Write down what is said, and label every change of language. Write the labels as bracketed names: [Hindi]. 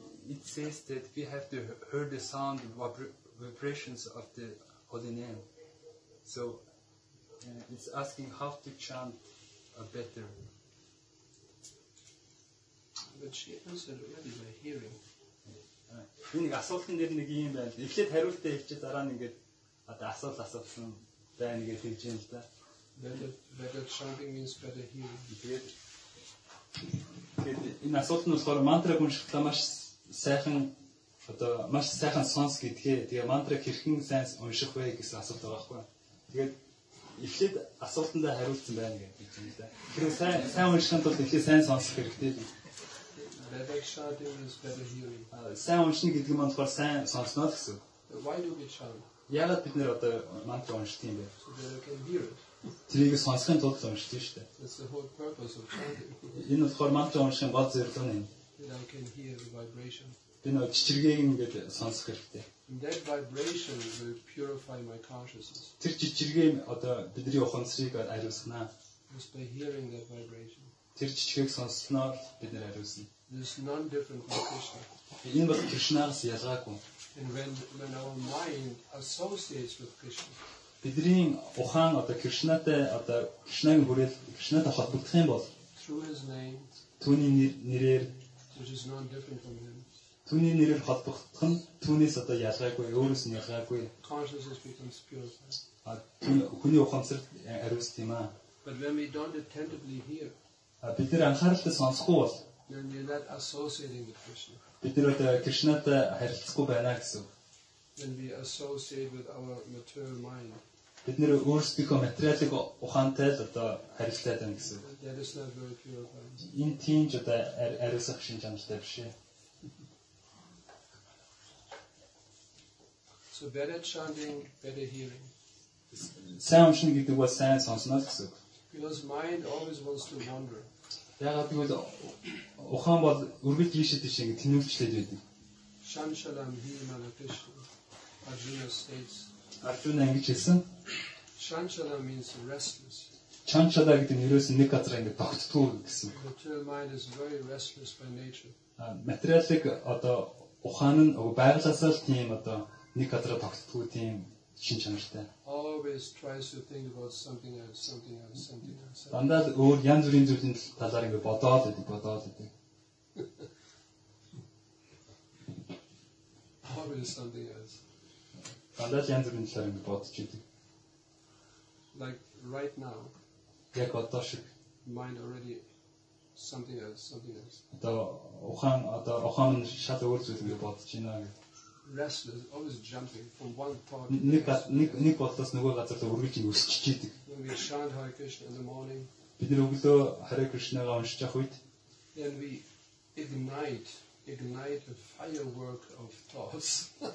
[English] It says that we have to hear the sound vibrations of the holy name. So it's asking how to chant better. But she answered already by hearing. [Mongolian] Энэ асуултын дээр нэг юм байна. Эхлээд хариултаа хэлчихээ дараа нь ингээд одоо асуулт асуусан байна гэж хэлж юм л да. [English] Better chanting means better hearing. [Mongolian] Тэгээд энэ асуулт нь болохоор мантраг уншихдаа маш сайхан одоо маш сайхан сонс гэдгээ. Тэгээд мантраг хэрхэн сайн унших вэ гэсэн асуулт байгаа байхгүй. Тэгээд эхлээд асуултандаа хариулсан байна гэж юм л да. Тэгэхээр сайн уншихын тулд эхлээд сайн сонсох хэрэгтэй. [English] Better chanting is better hearing. [Mongolian] Сайн уншна гэдэг нь болохоор сайн сонсно гэсэн. [English] Why do we chant? [Mongolian] Яагаад бид нэр одоо мантра уншдаг юм бэ? [English] So that we can hear it. [Mongolian] Тэрийг сонсохын тулд уншдаг шүү дээ. [English] That's the whole purpose of chanting. [Mongolian] Энэ болохоор мантра уншсан гол зорилго нь. [English] That we can hear the vibration. [Mongolian] Би нэг чичиргээг ингээд сонсох хэрэгтэй. [English] That vibration will purify my consciousness. [Mongolian] Тэр чичиргээ одоо бидний ухамсарыг ариуснаа. [English] Just by hearing that vibration. [Mongolian] Тэр чичиргээг сонссноор бид нэр ариусна. [English] This is non different from Krishna. [Mongolian] Энэ бол Кришнаас ялгаагүй. [English] And when our mind associates with Krishna. [Mongolian] Бидрийн ухаан одоо Кришнатай одоо Кришнагийн хүрээл Кришнатай холбогдох юм бол [English] through his name. [Mongolian] Түүний нэрээр [English] which is non different from him. [Mongolian] Түүний нэрээр холбогдох нь түүнээс одоо ялгаагүй, өөрөөс нь ялгаагүй. [English] Consciousness becomes pure. [Mongolian] А түүний ухаансар ариус тийм аа. [English] But when we don't attentively hear. [Mongolian] А бид нар анхааралтай сонсохгүй бол [English] then you're not associating with Krishna. [Mongolian] Бид нар одоо Кришнатай харилцахгүй байна гэсэн. [English] Then we associate with our material mind. [Mongolian] Бид нар өөрсдийнхөө материалын ухаантай л одоо харилцаад байна гэсэн. [English] That is not very pure. [Mongolian] Энэ тийм ч одоо ариусах шинж чанартай биш. [English] So better chanting, better hearing. [Mongolian] Сайн уншна гэдэг бол сайн сонсно гэсэн. [English] Because mind always wants to wander. [Mongolian] Ягаад гэвэл ухаан бол өргөж ийшээ тийш ингэ тэнүүлчлээд байдаг. Shamshalam himala tesh. [English] Arjuna states. [Mongolian] Arjuna ингэж хэлсэн. [English] Shamshalam means restless. [Mongolian] Shamshala гэдэг нь ерөөс нь нэг газар ингэ тогтдгүй гэсэн. [English] Material mind is very restless by nature. [Mongolian] Материалик одоо ухаан нь байгалаасаа л тийм одоо нэг газар тогтдгүй тийм шин чанартай. [English] Always tries to think about something else, something else, something else. [Mongolian] Дандаа өөр янз бүрийн зүйлийн талаар ингэ бодоод байдаг, бодоод байдаг. [English] Always something else. [Mongolian] Дандаа янз бүрийн талаар ингэ бодож байдаг. [English] Like right now. [Mongolian] Яг одоо шиг. [English] Mind already something else, something else. [Mongolian] Одоо ухаан нь шал өөр зүйл ингэ бодож байна гэх. [English] Restless, always jumping from one part. [Mongolian] Нэг болтоос нөгөө газар руу үргэлж өсчихэж идэг. [English] When we chant Hare Krishna in the morning. [Mongolian] Бид нар өглөө Hare Krishna-г уншиж явах үед. [English] Then we ignite a firework of thoughts.